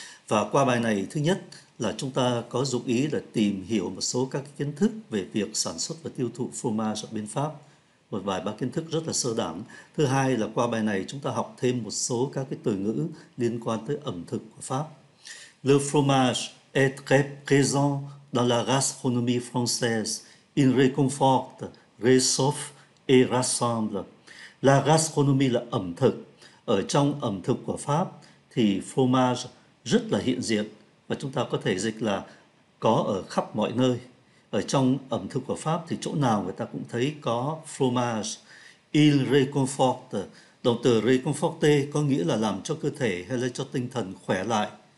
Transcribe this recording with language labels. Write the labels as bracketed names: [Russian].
[Vietnamese] Và qua bài này, thứ nhất là chúng ta có dụng ý là tìm hiểu một số các kiến thức về việc sản xuất và tiêu thụ fromage ở bên Pháp, một vài ba kiến thức rất là sơ đẳng. Thứ hai là qua bài này chúng ta học thêm một số các cái từ ngữ liên quan tới ẩm thực của Pháp. [French] Le fromage est très présent dans la gastronomie française, il réconforte, réchauffe et rassemble. La gastronomie [Vietnamese] là ẩm thực. Ở trong ẩm thực của Pháp thì fromage rất là hiện diện và chúng ta có thể dịch là có ở khắp mọi nơi. Ở trong ẩm thực của Pháp thì chỗ nào người ta cũng thấy có fromage. [French] Il réconforte, [Vietnamese] động từ réconforter có nghĩa là làm cho cơ thể hay là cho tinh thần khỏe lại.